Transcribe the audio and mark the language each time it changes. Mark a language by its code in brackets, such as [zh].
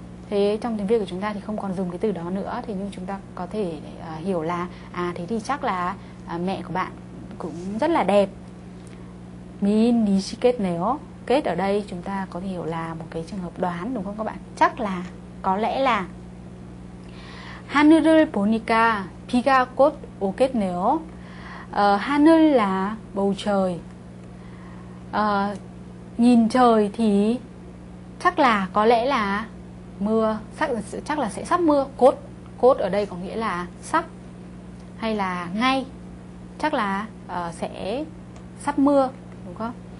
[vi] Thế trong tiếng Việt của chúng ta thì không còn dùng cái từ đó nữa, thế nhưng chúng ta có thể hiểu là à thế thì chắc là mẹ của bạn cũng rất là đẹp. Min isket neo. Kết ở đây chúng ta có thể hiểu là một cái trường hợp đoán đúng không các bạn? Chắc là, có lẽ là. [ko] 하늘을 보니까 비가 곧 오겠네요. [vi] 하늘 là bầu trời. Nhìn trời thì chắc là, có lẽ là mưa, chắc là sẽ sắp mưa. Cốt, cốt ở đây có nghĩa là sắp hay là ngay. Chắc là sẽ sắp mưa, đúng không?